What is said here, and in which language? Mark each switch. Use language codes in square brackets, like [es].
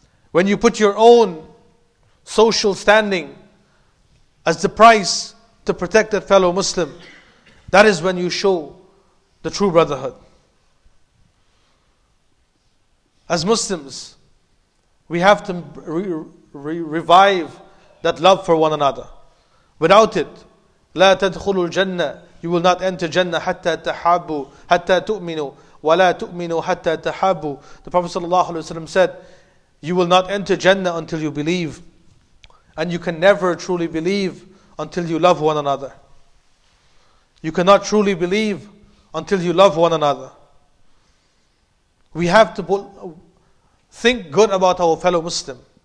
[en] When you put your own social standing as the price to protect that fellow Muslim, that is when you show the true brotherhood. As Muslims, we have to revive that love for one another. Without it, [ar] لا تدخلوا الجنة. [en] You will not enter Jannah [ar] حتى تحابوا حتى تؤمنوا ولا تؤمنوا حتى تحابوا. [en] The Prophet sallallahu alaihi wasallam said, "You will not enter Jannah until you believe, and you can never truly believe until you love one another. You cannot truly believe until you love one another." We have to think good about our fellow Muslim.